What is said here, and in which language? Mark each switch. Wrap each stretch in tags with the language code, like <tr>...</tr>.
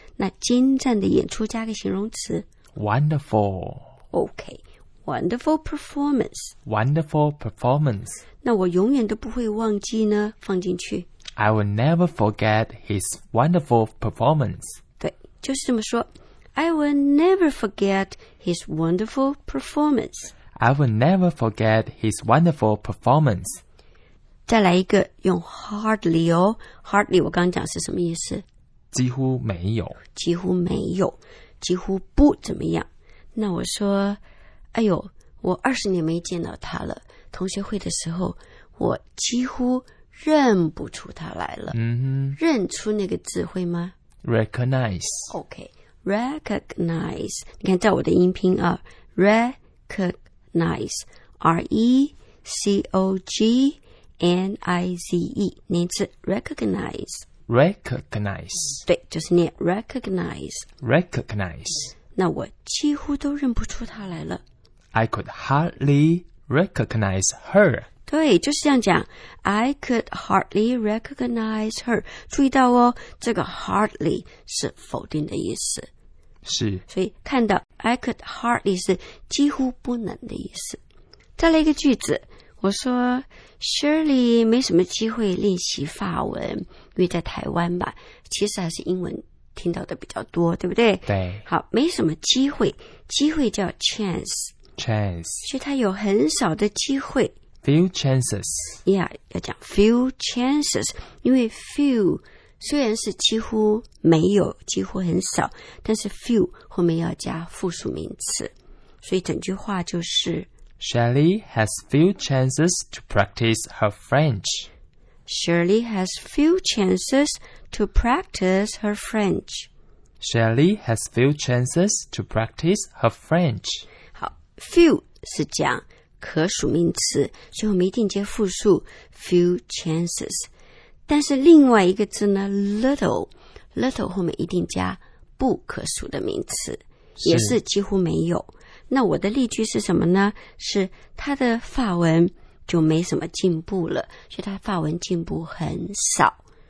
<zh>那精湛的演出加个形容词</zh> <en>，wonderful。 OK， wonderful performance， wonderful performance。</en> <zh>那我永远都不会忘记呢，放进去。</zh> <en>I will never forget his wonderful performance.</en> <zh>对，就是这么说。</zh> <en>I will never forget his wonderful performance. I will never forget his wonderful performance.</en> <zh>再来一个，用 hardly 哦。Hardly 我刚讲是什么意思？几乎没有。几乎没有，几乎不怎么样。那我说，哎呦，我二十年没见到他了。同学会的时候，我几乎认不出他来了。嗯哼，认出那个字会吗</zh> <en>？Recognize。 OK， recognize。</en> <zh>你看，在我的音频啊 ，recognize， R E C O G N I Z E， 念字 recognize。</zh> <en>Recognize。</en> <zh>对，就是念 recognize。</zh> <en>Recognize。</en> <zh>那我几乎都认不出他来了。</zh> <en>I could hardly recognize her。</en> <zh>对，就是这样讲。</zh> <en>I could hardly recognize her.</en> <zh>注意到哦，这个 hardly 是否定的意思。是。所以看到</zh> <en>I could hardly</en> <zh>是几乎不能的意思。再来一个句子，我说 Shirley 没什么机会练习法文，因为在台湾吧，其实还是英文听到的比较多，对不对？对。好，没什么机会，机会叫 chance。</zh> <en>chance。</en> <zh>所以他有很少的机会。</zh> <en>Few chances. Yeah,</en> <zh>要讲</zh> <en>few chances.</en> <zh>因为 few 虽然是几乎没有，几乎很少，但是 few 后面要加复数名词，所以整句话就是</zh> <en>Shirley has few chances to practice her French. Shirley has few chances to practice her French. Shirley has few chances to practice her French.</en> <zh>好， few 是讲可数名词，所以我们一定接复数 few chances。但是另外一个字呢 ，little 后面一定加不可数的名词，也是几乎没有。那我的例句是什么呢？是他的法文就没什么进步了，所以他法文进步很少，</zh>